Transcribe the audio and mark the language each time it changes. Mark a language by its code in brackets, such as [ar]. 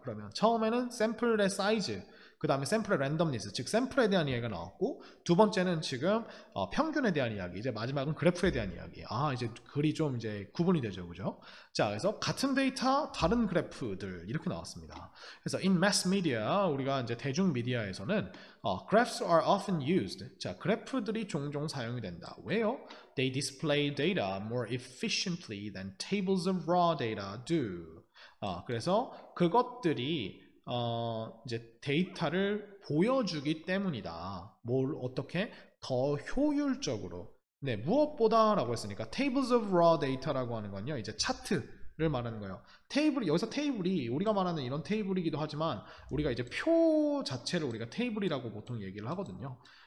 [ko] 그러면 처음에는 샘플의 사이즈, 그 다음에 샘플의 랜덤니스, 즉 샘플에 대한 이야기가 나왔고, 두 번째는 지금 평균에 대한 이야기, 이제 마지막은 그래프에 대한 이야기. 아, 이제 글이 좀 이제 구분이 되죠, 그죠? 자, 그래서 같은 데이터 다른 그래프들 이렇게 나왔습니다. 그래서 [en] in mass media, [ko] 우리가 이제 대중 미디어에서는 [en] graphs are often used. [ko] 자, 그래프들이 종종 사용이 된다. 왜요? [en] They display data more efficiently than tables of raw data do. [ko] 그래서 그것들이 이제 데이터를 보여주기 때문이다. 뭘 어떻게 더 효율적으로? 네, 무엇보다라고 했으니까 [en] tables of raw data [ko] 라고 하는 건요, 이제 차트를 말하는 거예요. 테이블, 여기서 테이블이 우리가 말하는 이런 테이블이기도 하지만 우리가 이제 표 자체를 우리가 테이블이라고 보통 얘기를 하거든요.